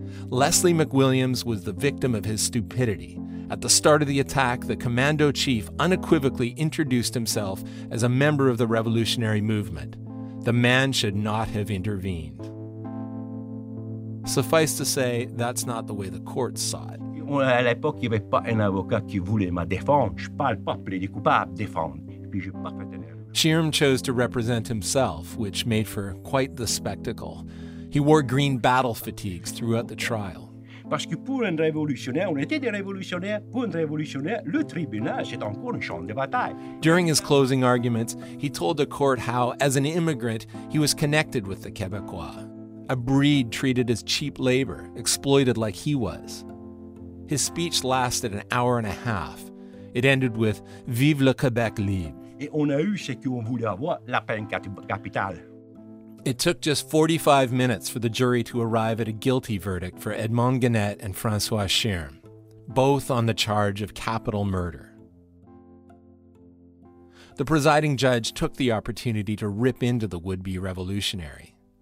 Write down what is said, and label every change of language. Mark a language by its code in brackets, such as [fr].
[en] Leslie McWilliams was the victim of his stupidity. At the start of the attack, the commando chief unequivocally introduced himself as a member of the revolutionary movement. The man should not have intervened." Suffice to say, that's not the way the courts saw it. [fr] À l'époque, il n'y avait pas un avocat qui voulait me défendre. Je parle pas plaider coupable, défendre. Puis j'ai pas fait d'erreur. [en] Shearm chose to represent himself, which made for quite the spectacle. He wore green battle fatigues throughout the trial. [fr] Parce que pour un révolutionnaire, on était des révolutionnaires, pour un révolutionnaire, le tribunal, c'est encore un champ de bataille. [en] During his closing arguments, he told the court how, as an immigrant, he was connected with the Québécois, a breed treated as cheap labor, exploited like he was. His speech lasted an hour and a half. It ended with, [fr] "Vive le Québec libre." Et on a eu ce qu'on voulait avoir, la peine capitale. [en] It took just 45 minutes for the jury to arrive at a guilty verdict for Edmond Gannett and François Shearm, both on the charge of capital murder. The presiding judge took the opportunity to rip into the would-be revolutionary.